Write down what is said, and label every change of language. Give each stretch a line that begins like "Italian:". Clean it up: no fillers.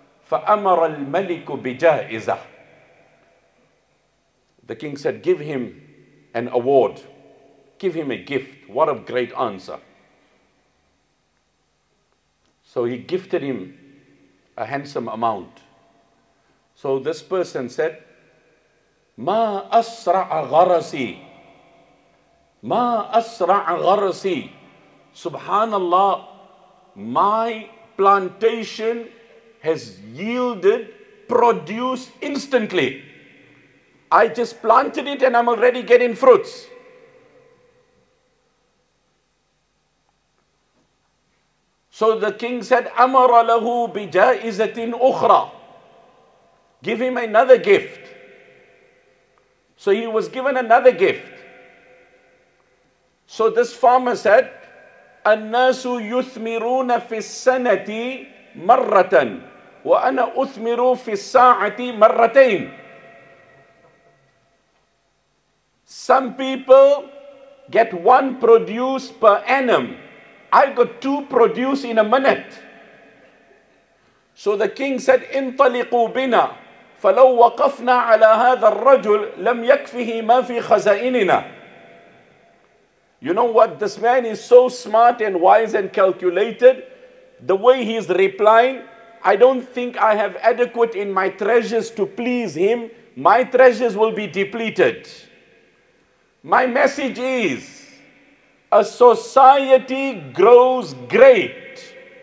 Arabic: فَأَمَرَ الْمَلِكُ بِجَائِزَةٍ.
English: The king said, give him an award. Give him a gift. What a great answer. So he gifted him a handsome amount. So this person said,
Arabic: مَا أَسْرَعَ غَرَسِي مَا أَسْرَعَ غَرَسِي.
English: Subhanallah, my plantation has yielded produce instantly. I just planted it and I'm already getting fruits. So the king said,
Arabic: أَمَرَ لَهُ بِجَائِزَةٍ أُخْرَى.
English: Give him another gift. So he was given another gift. So this farmer said,
Arabic: النَّاسُ يُثْمِرُونَ فِي السَّنَةِ مَرَّةً وَأَنَا أُثْمِرُ فِي السَّاعَةِ مَرَّتَيْنِ.
English: Some people get one produce per annum. I got two produce in a minute. So the king said,
Arabic: انطلقوا بنا فلو وقفنا على هذا الرجل لم يكفه ما في خزائننا.
English: You know what? This man is so smart and wise and calculated. The way he's replying, I don't think I have adequate in my treasures to please him. My treasures will be depleted. My message is, a society grows great.